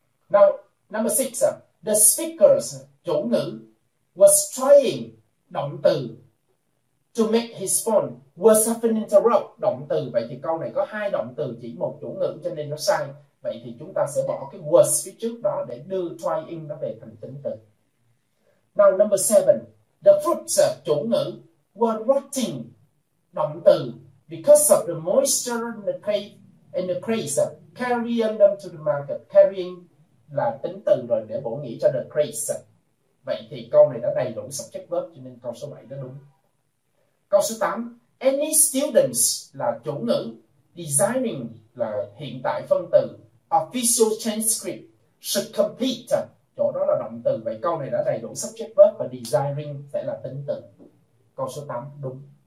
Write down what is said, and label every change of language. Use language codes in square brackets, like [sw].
[en] Now, number 6, the speakers, [vi] chủ ngữ, [en] was trying, [vi] động từ, [en] to make his point. Was often interrupt, [vi] động từ. Vậy thì câu này có hai động từ, chỉ một chủ ngữ, cho nên nó sai. Vậy thì chúng ta sẽ bỏ cái was phía trước đó để đưa trying nó về thành tính từ. [en] Now number 7, the fruits, [vi] chủ ngữ, [en] were rotting, [vi] động từ, [en] because of the moisture and the craze, carrying them to the market. [vi] Carrying là tính từ rồi, để bổ nghĩa cho [en] the craze. [vi] Vậy thì câu này đã đầy đủ subject verb, cho nên câu số 7 đã đúng. Câu số 8, [en] any students, [vi] là chủ ngữ, designing, là hiện tại phân từ, [en] official transcript, should complete, [vi] chỗ đó là động từ, vậy câu này đã đầy đủ subject verb, và designing sẽ là tính từ. Câu số 8, đúng.